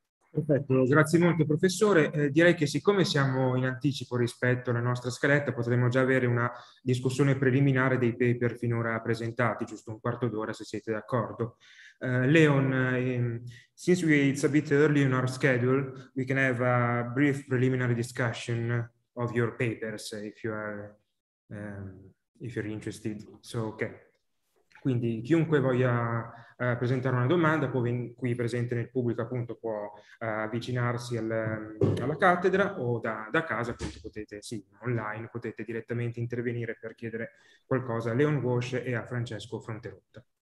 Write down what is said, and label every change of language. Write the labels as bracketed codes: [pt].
[it] Perfetto, grazie molto professore. Direi che siccome siamo in anticipo rispetto alla nostra scaletta, potremmo già avere una discussione preliminare dei paper finora presentati, giusto un quarto d'ora se siete d'accordo. [en] Leon, since it's a bit early in our schedule, we can have a brief preliminary discussion of your papers, if you're interested. So, okay. [it] Quindi chiunque voglia presentare una domanda può qui presente nel pubblico appunto può avvicinarsi alla cattedra o da casa appunto potete, sì, online potete direttamente intervenire per chiedere qualcosa a Leon Walsh e a Francesco Fronterotta.